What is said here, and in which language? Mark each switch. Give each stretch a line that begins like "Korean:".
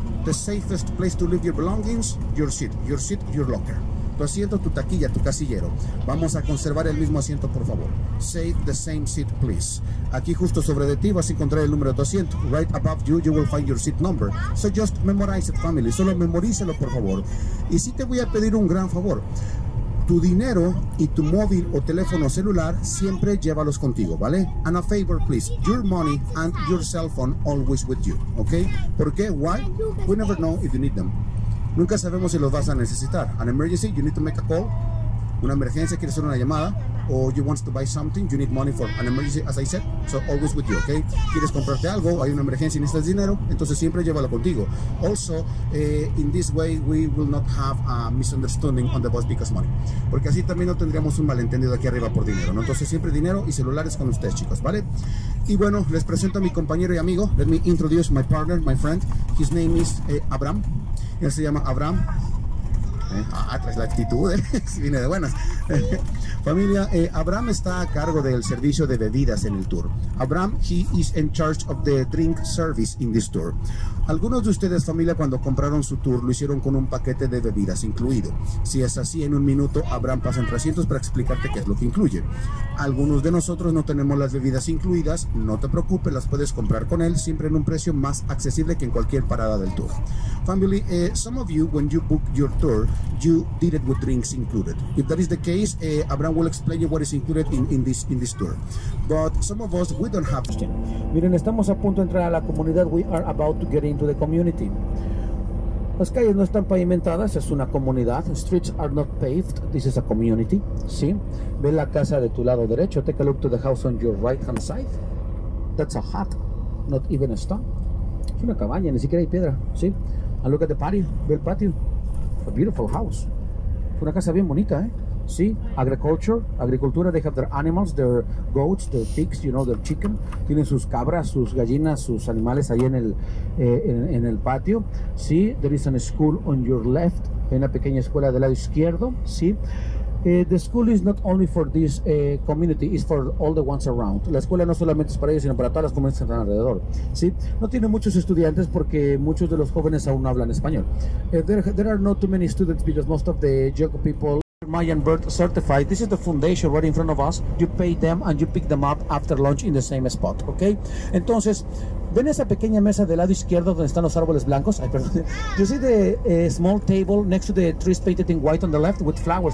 English: The safest place to leave your belongings, your seat. Your seat, your locker.
Spanish: Tu asiento, tu taquilla, tu casillero. Vamos a conservar el mismo asiento, por favor.
English: Save the same seat, please.
Spanish: Aquí justo sobre de ti vas a encontrar el número de tu asiento.
English: Right above you, you will find your seat number. So just memorize it, family.
Spanish: Solo memorícelo, por favor. Y sí te voy a pedir un gran favor. Tu dinero y tu móvil o teléfono celular siempre llévalos contigo, ¿vale?
English: And a favor, please. Your money and your cell phone always with you, ¿ok?
Spanish: ¿Por qué?
English: Why? We never know if you need them.
Spanish: Nunca sabemos si los vas a necesitar.
English: An emergency, you need to make a call.
Spanish: Una emergencia, quieres hacer una llamada.
English: O you want to buy something, you need money for an emergency, as I said. So always with you, okay?
Spanish: Quieres comprarte algo, hay una emergencia y necesitas dinero, entonces siempre llévalo contigo.
English: Also, in this way, we will not have a misunderstanding on the bus because money.
Spanish: Porque así también no tendríamos un malentendido aquí arriba por dinero, ¿no? Entonces siempre dinero y celulares con ustedes, chicos, ¿vale? Y bueno, les presento a mi compañero y amigo.
English: Let me introduce my partner, my friend. His name is Abraham.
Spanish: Él se llama Abraham. Traes la actitud, viene de buenas. Familia, Abraham está a cargo del servicio de bebidas en el tour.
English: Abraham, he is in charge of the drink service in this tour.
Spanish: Algunos de ustedes, familia, cuando compraron su tour, lo hicieron con un paquete de bebidas incluido. Si es así, en un minuto, Abraham pasa entre asientos para explicarte qué es lo que incluye. Algunos de nosotros no tenemos las bebidas incluidas, no te preocupes, las puedes comprar con él, siempre en un precio más accesible que en cualquier parada del tour.
English: Family, some of you, when you book your tour, you did it with drinks included. If that is the case, Abraham will explain you what is included in this tour. But some of us, we don't have to.
Spanish: Miren, estamos a punto de entrar a la comunidad.
English: We are about to get into the community.
Spanish: Las calles no están pavimentadas, es una comunidad.
English: Streets are not paved, this is a community.
Spanish: ¿Sí? Ve la casa de tu lado derecho.
English: Take a look to the house on your right hand side. That's a hut, not even a stone.
Spanish: Es una cabaña, ni siquiera hay piedra. ¿Sí?
English: And look at the patio,
Spanish: ve el patio.
English: A beautiful house.
Spanish: Una casa bien bonita, ¿eh?
English: Sí, agricultura, they have their animals, their goats, their pigs, you know, their chicken.
Spanish: Tienen sus cabras, sus gallinas, sus animales ahí en el patio.
English: Sí, there is a school on your left.
Spanish: Hay una pequeña escuela del lado izquierdo.
English: Sí, the school is not only for this community, it's for all the ones around.
Spanish: La escuela no solamente es para ellos, sino para todas las comunidades que están alrededor. Sí, no tiene muchos estudiantes porque muchos de los jóvenes aún no hablan español.
English: There are not too many students because most of the young people Mayan Bird Certified. This is the foundation right in front of us. You pay them and you pick them up after lunch in the same spot, okay?
Spanish: Entonces, ven esa pequeña mesa del lado izquierdo donde están los árboles blancos. Ay, perdón.
English: You see the small table next to the trees painted in white on the left with flowers.